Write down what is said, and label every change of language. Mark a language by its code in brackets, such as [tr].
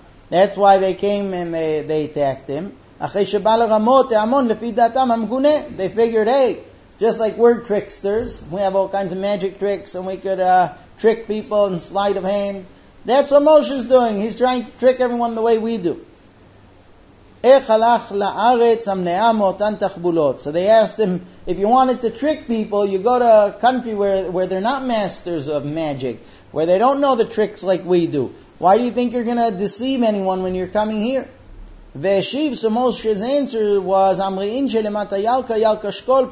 [en] That's why they came and they attacked him. [he] אחרי שבא לרמות המון לפי דעתם המגונה, [en] they figured, hey, just like we're tricksters, we have all kinds of magic tricks and we could trick people and sleight of hand. That's what Moshe's doing. He's trying to trick everyone the way we do. [he] איך הלך לארץ המנעה מאותן תחבולות? [en] So they asked him, if you wanted to trick people, you go to a country where they're not masters of magic, where they don't know the tricks like we do. Why do you think you're going to deceive anyone when you're coming here? Ve'eshiv, so Moshe's answer was, [arc] Amri inche lemata yalka, yalka shkol.